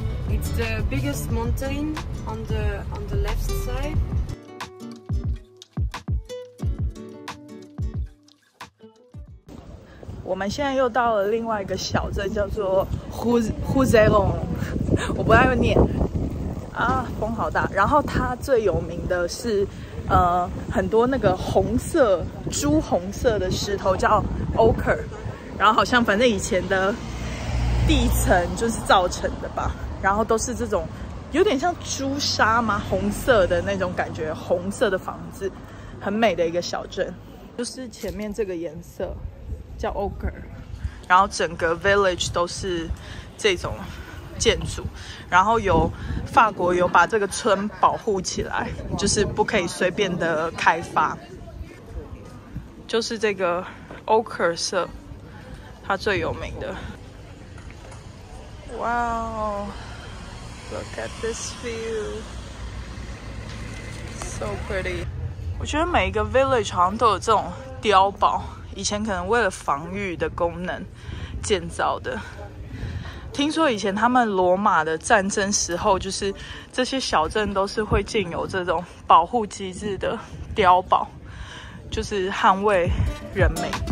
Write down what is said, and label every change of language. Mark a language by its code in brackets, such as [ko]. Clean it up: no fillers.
[en] It's the biggest mountain on the left side. We're now going to another small village called Huzeron. I don't know how to read it. [zh] 啊，风好大！然后它最有名的是，很多那个红色、朱红色的石头叫 ochre， 然后好像反正以前的地层就是造成的吧，然后都是这种有点像朱砂嘛，红色的那种感觉，红色的房子，很美的一个小镇，就是前面这个颜色叫 ochre， 然后整个 village 都是这种。建筑，然后有法国有把这个村保护起来，就是不可以随便的开发。就是这个 ochre 色，它最有名的。 [en] Wow, look at this view, so pretty. [zh] 我觉得每一个 village 好像都有这种碉堡，以前可能为了防御的功能建造的。听说以前他们罗马的战争时候，就是这些小镇都是会建有这种保护机制的碉堡，就是捍卫人民。